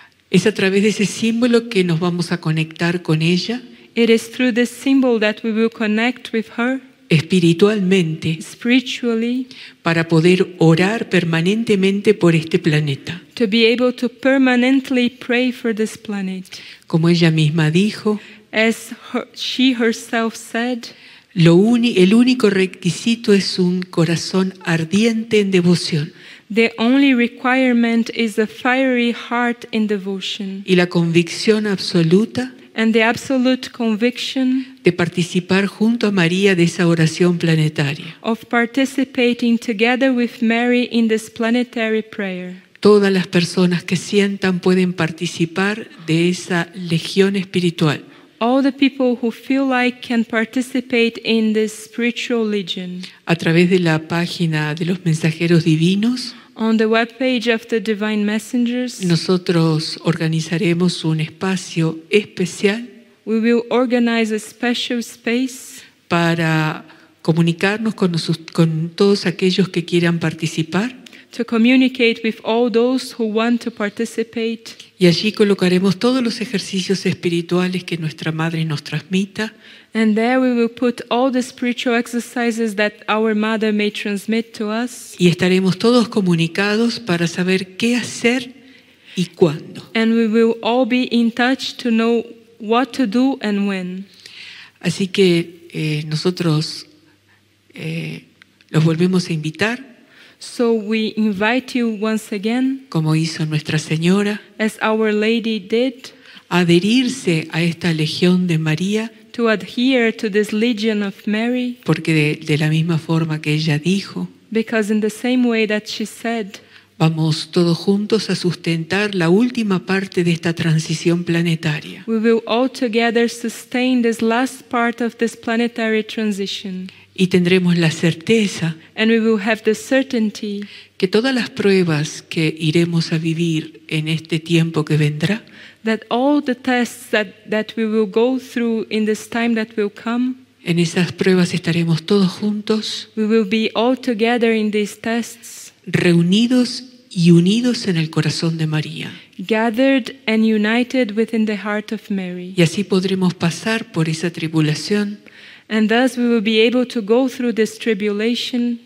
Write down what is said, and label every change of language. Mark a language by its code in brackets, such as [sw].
[es] es a través de ese símbolo que nos vamos a conectar con ella. [en] It is through this symbol that we will connect with her [es] espiritualmente, [en] spiritually, [es] para poder orar permanentemente por este planeta. [en] To be able to permanently pray for this planet. [es] Como ella misma dijo, [en] as she herself said, [es] el único requisito es un corazón ardiente en devoción. [en] The only requirement is a fiery heart in devotion. [es] Y la convicción absoluta. [en] And the absolute conviction [es] de participar junto a María de esa oración planetaria. [en] Of participating together with Mary in this planetary prayer. [es] Todas las personas que sientan pueden participar de esa legión espiritual. [en] All the people who feel like can participate in this spiritual legion. [es] A través de la página de los mensajeros divinos. [en] On the webpage of the Divine Messengers, [es] nosotros organizaremos un espacio especial. [en] We will organize a special space [es] para comunicarnos con todos aquellos que quieran participar. [en] To communicate with all those who want to participate. [es] Y allí colocaremos todos los ejercicios espirituales que nuestra madre nos transmita. [en] And there we will put all the spiritual exercises that our mother may transmit to us. [es] Y estaremos todos comunicados para saber qué hacer y cuándo. [en] And we will all be in touch to know what to do and when. [es] Así que nosotros los volvemos a invitar. [en] So we invite you once again, [es] como hizo Nuestra Señora, [en] as Our Lady did, [es] a adherirse a esta legión de María, [en] to adhere to this legion of Mary, [es] porque de la misma forma que ella dijo, [en] because in the same way that she said, [es] vamos todos juntos a sustentar la última parte de esta transición planetaria. [en] We will all together sustain this last part of this planetary transition. [es] Y tendremos la certeza, [en] and we will have the certainty, [es] que todas las pruebas que iremos a vivir en este tiempo que vendrá, [en] that all the tests that we will go through in this time that will come, [es] en esas pruebas estaremos todos juntos, [en] we will be all together in these tests, [es] reunidos y unidos en el corazón de María, [en] gathered and united within the heart of Mary. [es] Y así podremos pasar por esa tribulación. [en] And thus we will be able to go through this tribulation.